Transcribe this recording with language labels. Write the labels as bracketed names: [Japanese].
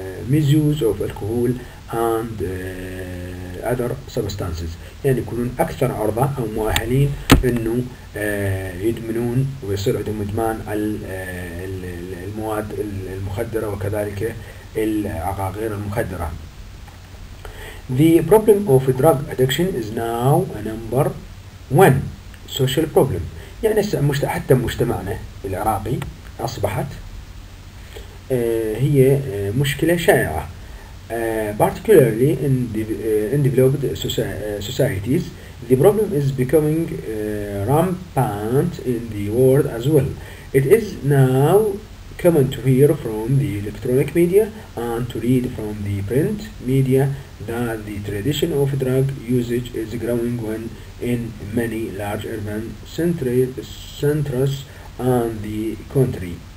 [English] misuse of alcohol and other substances، [Arabic] يعني يكونون أكثر عرضة أو مؤهلين إنه يدمنون ويصير عندهم إدمان على المواد المخدرة وكذلك العقاقير المخدرة. [English] The problem of drug addiction is now a number one social problem. [Arabic] يعني حتى مجتمعنا العراقي أصبحت هي مشكلة شائعة. [English] Particularly in developed societies, the problem is becoming rampant in the world as well. It is now common to hear from the electronic media and to read from the print media that the tradition of drug usage is growing when in many large urban centres and the country.